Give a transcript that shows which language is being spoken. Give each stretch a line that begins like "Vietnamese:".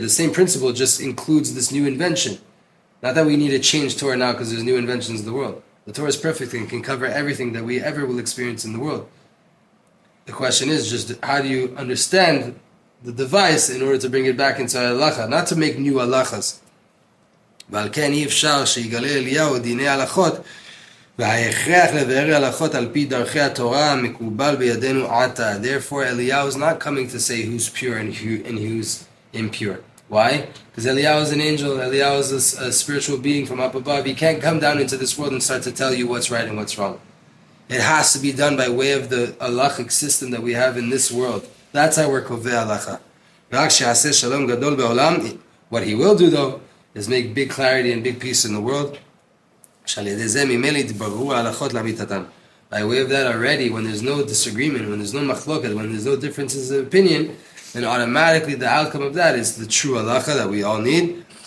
English: The same principle just includes this new invention. Not that we need to change Torah now because there's new inventions in the world. The Torah is perfect and can cover everything that we ever will experience in the world. The question is just how do you understand the device in order to bring it back into halacha, not to make new halachas.
Hebrew: ועל כן אי אפשר שיגלה אליהו דיני הלכות וההכרח לבאר הלכות על פי דרכי התורה המקובל בידינו עתה.
English: Therefore, Eliyahu is not coming to say who's pure and who's impure. Why? Because Eliyahu is an angel, Eliyahu is a spiritual being from up above. He can't come down into this world and start to tell you what's right and what's wrong. It has to be done by way of the halachic system that we have in this world. That's how we're kovei halacha.
Hebrew: ורק שיעשה שלום גדול בעולם.
English: What he will do though is make big clarity and big peace in the world. By way of that already, when there's no disagreement, when there's no machloket, when there's no differences of opinion, then automatically the outcome of that is the true halacha that we all need.